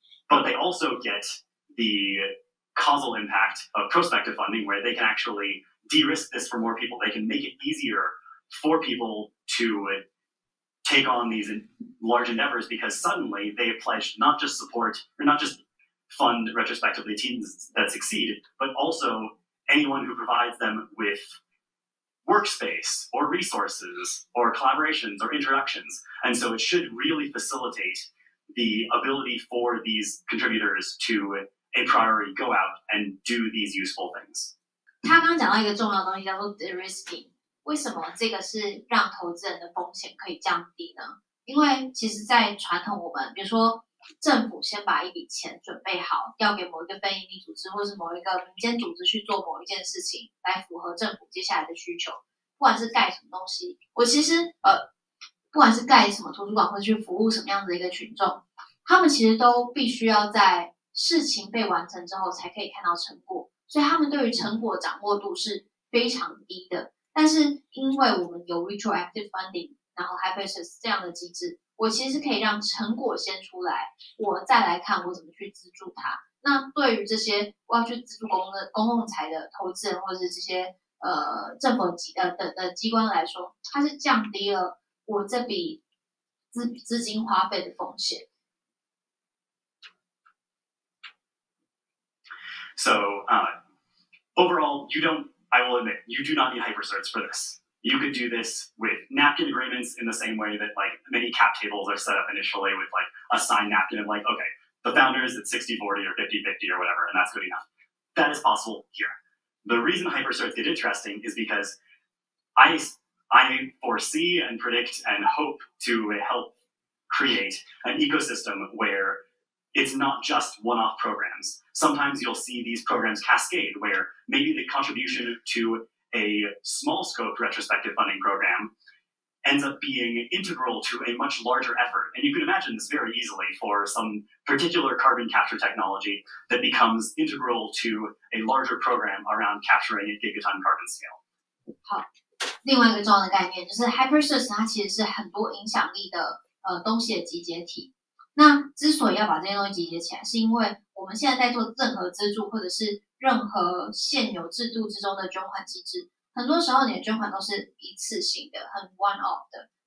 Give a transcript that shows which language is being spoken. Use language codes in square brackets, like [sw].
[en] But they also get the causal impact of prospective funding, where they can actually de-risk this for more people. They can make it easier for people to take on these large endeavors because suddenly they have pledged not just support or not just fund retrospectively teams that succeed, but also anyone who provides them with workspace or resources or collaborations or introductions. And so it should really facilitate the ability for these contributors to a priori go out and do these useful things. [zh] 他刚刚讲到一个重要的东西叫做 de-risking， 为什么这个是让投资人的风险可以降低呢？因为其实在传统我们比如说政府先把一笔钱准备好要给某一个非营利组织或是某一个民间组织去做某一件事情来符合政府接下来的需求，不管是盖什么东西，我其实不管是盖什么图书馆或是去服务什么样子的一个群众，他们其实都必须要在事情被完成之后才可以看到成果，所以他们对于成果掌握度是非常低的。但是因为我们有 retroactive funding， 然后 hypothesis 这样的机制，我其实是可以让成果先出来，我再来看我怎么去资助它。那对于这些我要去资助公共财的投资人或者是这些政府的机关来说，它是降低了我这笔资金花费的风险。 [en] So, overall, you don't, I will admit, you do not need hyper-certs for this. You could do this with napkin agreements in the same way that, like, many cap tables are set up initially with, like, a signed napkin and, like, okay, the founders, it's 60-40 or 50-50 or whatever, and that's good enough. That is possible here. The reason hyper-certs get interesting is because I foresee and predict and hope to help create an ecosystem where it's not just one-off programs. Sometimes you'll see these programs cascade, where maybe the contribution to a small-scope retrospective funding program ends up being integral to a much larger effort. And you can imagine this very easily for some particular carbon capture technology that becomes integral to a larger program around capturing a gigaton carbon scale. [zh] 好，另外一个重要的概念就是 hypersearch， 它其实是很多影响力的东西的集结体。那之所以要把这些东西集结起来，是因为我们现在在做任何资助或者是任何现有制度之中的捐款机制，很多时候你的捐款都是一次性的，很 [en] one off [zh] 的。